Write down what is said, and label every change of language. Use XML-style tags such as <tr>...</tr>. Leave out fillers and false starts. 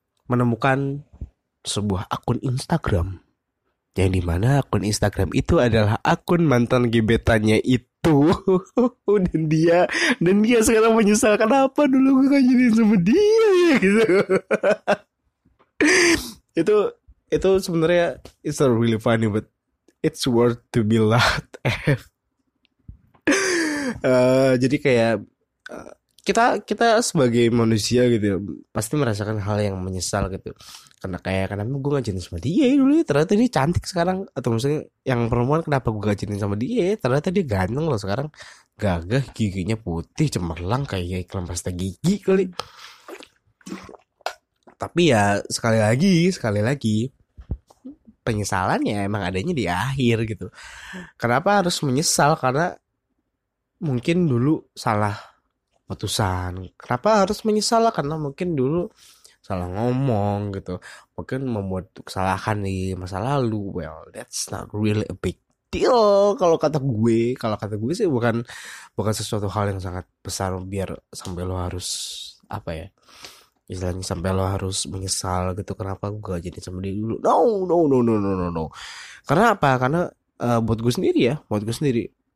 <id>menemukan sebuah akun Instagram yang dimana akun Instagram itu adalah akun mantan gebetannya itu. dan dia sekarang menyesal, kenapa dulu gue gak jadi sama dia gitu. itu sebenarnya</id> <en>it's not really funny but it's worth to be laughed at.</en> <id>Jadi kayak kita sebagai manusia gitu ya, pasti merasakan hal yang menyesal gitu. Karena kayak, kenapa gue gak jadi sama dia ya dulu ya, ternyata dia cantik sekarang. Atau misalnya yang perempuan, kenapa gue gak jadi sama dia ya, ternyata dia ganteng loh sekarang. Gagah, giginya putih, cemerlang, kayak iklan pasta gigi kali. Tapi ya sekali lagi, penyesalannya emang adanya di akhir gitu. Kenapa harus menyesal? Karena mungkin dulu salah putusan. Kenapa harus menyesal? Karena mungkin dulu salah ngomong gitu, mungkin membuat kesalahan di masa lalu.</id> <en>Well, that's not really a big deal</en> <id>kalau kata gue. Kalau kata gue sih bukan sesuatu hal yang sangat besar biar sampai lo harus apa ya, istilahnya sampai lo harus menyesal gitu, kenapa gue gak jadi sama dia dulu. No. Karena apa? Karena buat gue sendiri.</id>